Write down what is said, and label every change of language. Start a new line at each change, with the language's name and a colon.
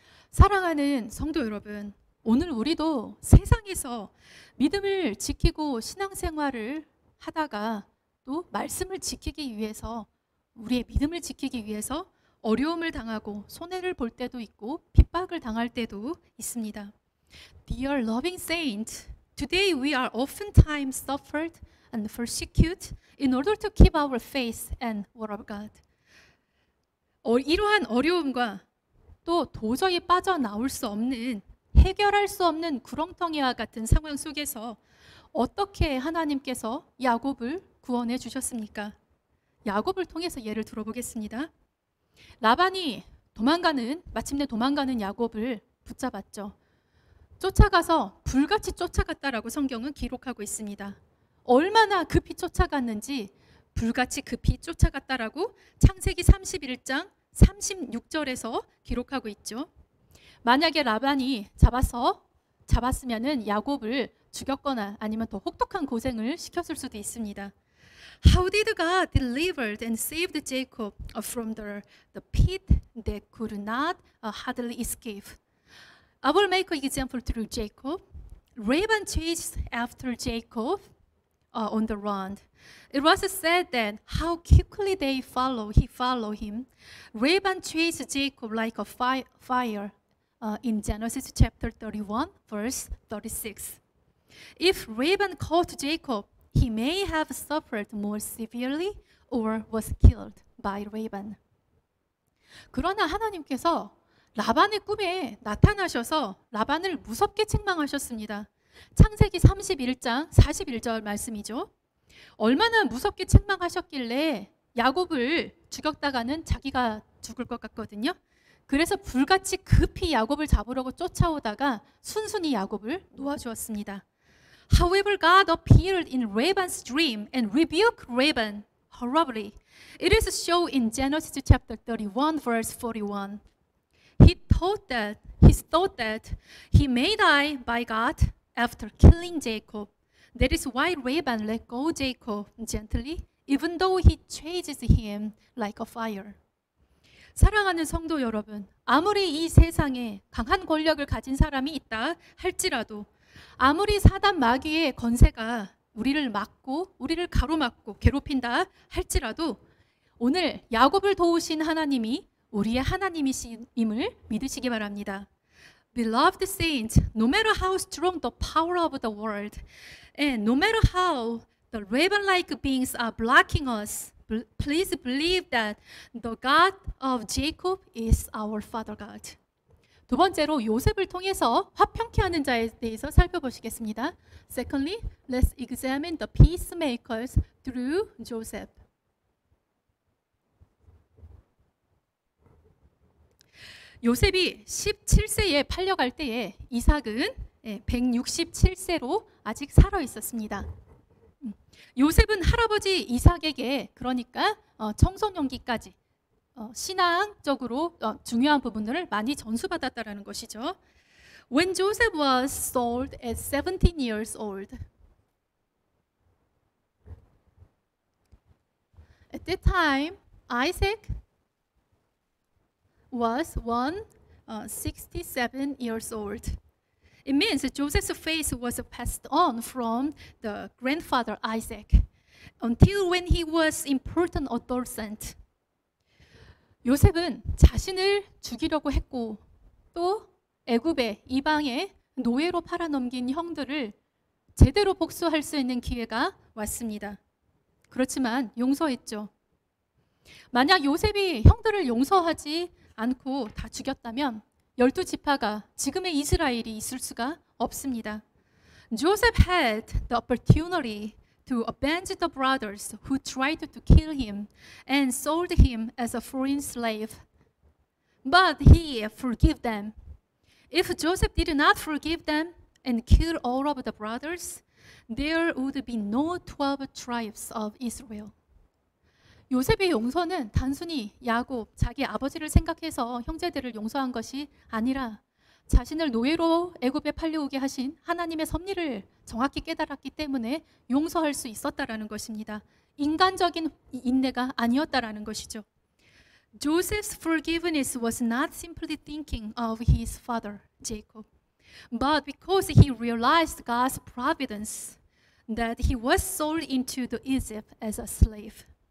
Korean: 사랑하는 성도 여러분, 오늘 우리도 세상에서 믿음을 지키고 신앙생활을 하다가 또 말씀을 지키기 위해서 우리의 믿음을 지키기 위해서 어려움을 당하고 손해를 볼 때도 있고 핍박을 당할 때도 있습니다.
English: Dear loving saint, today we are oftentimes suffered and persecuted in order to keep our faith and word of God.
Korean: 이러한 어려움과 또 도저히 빠져나올 수 없는 해결할 수 없는 구렁텅이와 같은 상황 속에서 어떻게 하나님께서 야곱을 구원해 주셨습니까? 야곱을 통해서 예를 들어보겠습니다. 라반이 마침내 도망가는 야곱을 붙잡았죠. 쫓아가서 불같이 쫓아갔다라고 성경은 기록하고 있습니다. 얼마나 급히 쫓아갔는지 불같이 급히 쫓아갔다라고 창세기 31장 36절에서 기록하고 있죠. 만약에 라반이 잡았으면은 야곱을 죽였거나 아니면 더 혹독한 고생을 시켰을 수도 있습니다.
English: How did God deliver and save Jacob from the pit that could not hardly escape? I will make an example through Jacob. Laban chased after Jacob on the run. It was said that how quickly they follow, he followed him. Laban chased Jacob like a fire in Genesis chapter 31, verse 36. If Laban caught Jacob, he may have suffered more severely or was killed by Laban.
Korean: 그러나 하나님께서 라반의 꿈에 나타나셔서 라반을 무섭게 책망하셨습니다. 창세기 31장 41절 말씀이죠. 얼마나 무섭게 책망하셨길래 야곱을 죽였다가는 자기가 죽을 것 같거든요. 그래서 불같이 급히 야곱을 잡으려고 쫓아오다가 순순히 야곱을 놓아주었습니다.
English: However, God appeared in Laban's dream and rebuked Laban horribly. It is shown in Genesis chapter 31, verse 41. He thought that he may die by God after killing Jacob. That is why Laban let go Jacob gently, even though he chases him like a fire.
Korean: 사랑하는 성도 여러분, 아무리 이 세상에 강한 권력을 가진 사람이 있다 할지라도 아무리 사단 마귀의 권세가 우리를 막고 우리를 가로막고 괴롭힌다 할지라도 오늘 야곱을 도우신 하나님이 우리의 하나님이심을 믿으시기 바랍니다.
English: Beloved saints, no matter how strong the power of the world and no matter how the raven-like beings are blocking us, please believe that the God of Jacob is our Father God.
Korean: 두 번째로 요셉을 통해서 화평케 하는 자에 대해서 살펴보시겠습니다.
English: Secondly, let's examine the peacemakers through Joseph.
Korean: 요셉이 17세에 팔려갈 때에 이삭은 167세로 아직 살아 있었습니다. 요셉은 할아버지 이삭에게 그러니까 청소년기까지 신앙적으로 중요한 부분들을 많이 전수받았다라는 것이죠.
English: When Joseph was sold at 17 years old. At that time, Isaac was 167 years old. It means Joseph's faith was passed on from the grandfather Isaac until when he was important adolescent.
Korean: 요셉은 자신을 죽이려고 했고 또 애굽의 이방의 노예로 팔아넘긴 형들을 제대로 복수할 수 있는 기회가 왔습니다. 그렇지만 용서했죠. 만약 요셉이 형들을 용서하지 않고 다 죽였다면 열두 지파가 지금의 이스라엘이 있을 수가 없습니다.
English: Joseph had the opportunity to avenge the brothers who tried to kill him and sold him as a foreign slave. But he forgave them. If Joseph did not forgive them and kill all of the brothers, there would be no 12 tribes of Israel.
Korean: 요셉의 용서는 단순히 야곱, 자기 아버지를 생각해서 형제들을 용서한 것이 아니라 자신을 노예로 애굽에 팔려오게 하신 하나님의 섭리를 정확히 깨달았기 때문에 용서할 수 있었다라는 것입니다. 인간적인 인내가 아니었다라는 것이죠.
English: Joseph's forgiveness was not simply thinking of his father, Jacob, but because he realized God's providence that he was sold into the Egypt as a slave.